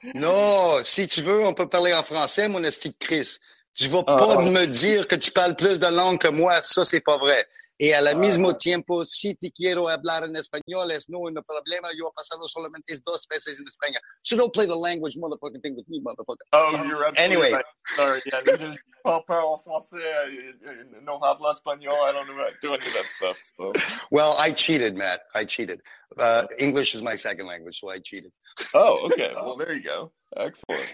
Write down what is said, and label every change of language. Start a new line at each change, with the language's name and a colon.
French: no, si tu veux, on peut parler en français, mon esti Chris. Tu vas pas me dire que tu parles plus de langue que moi, ça c'est pas vrai. Et à la
Spanish: mismo tiempo, si te quiero hablar en español, es no un problema. Yo he pasado solamente dos veces en España.
English: So don't play the language motherfucking thing with me, motherfucker. Oh, you're absolutely anyway. Right. Sorry, yeah.
French: Je parle français.
Spanish: No habla español.
English: I don't know how to do any of that stuff. So. Well, I cheated, Matt. I cheated. English is my second language, so I cheated. Oh, okay. Well, there you go. Excellent.